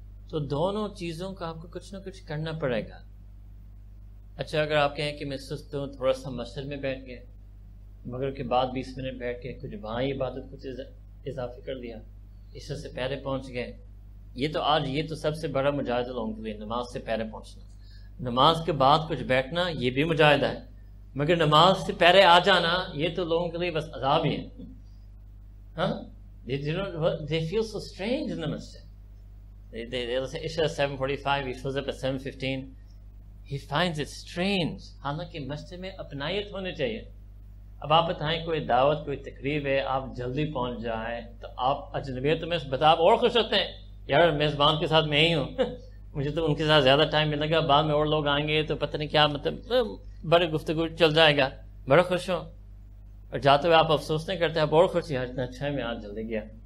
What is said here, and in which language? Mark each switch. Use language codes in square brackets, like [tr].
[ur] تو دونوں چیزوں کا آپ کو کچھ نہ کچھ کرنا پڑے گا. اچھا, اگر آپ کہیں کہ میں سست ہوں, تھوڑا سا مسجد میں بیٹھ گیا, مغرب کے بعد 20 منٹ بیٹھ کے کچھ وہاں عبادت کچھ اضافی کر لیا, اس سے پہلے پہنچ گئے, یہ تو آج یہ تو سب سے بڑا مجاہد لوگوں کے لیے, نماز سے پہلے پہنچنا, نماز کے بعد کچھ بیٹھنا یہ بھی مجاہدہ ہے, مگر نماز سے پہلے آ جانا یہ تو لوگوں کے لیے بس عذاب ہی ہے. [en] They feel so strange in the masjid. They'll say Isha 7:45, he shows up at 7:15. He finds it strange. [ur] حالانکہ مسجد میں اپنائیت ہونے چاہیے. اب آپ بتائیں, کوئی دعوت, کوئی تقریب ہے, آپ جلدی پہنچ جائیں, تو آپ اجنبیت میں بتا آپ اور خوش ہوتے ہیں, یار میزبان کے ساتھ میں ہی ہوں, مجھے تو ان کے ساتھ زیادہ ٹائم ملے گا, بعد میں اور لوگ آئیں گے تو پتہ نہیں کیا, مطلب بڑے گفتگو چل جائے گا, بڑا خوش ہوں, اور جاتے ہوئے آپ افسوس نہیں کرتے, آپ اور خوش ہیں, اتنا اچھا ہے میں آج جلدی گیا.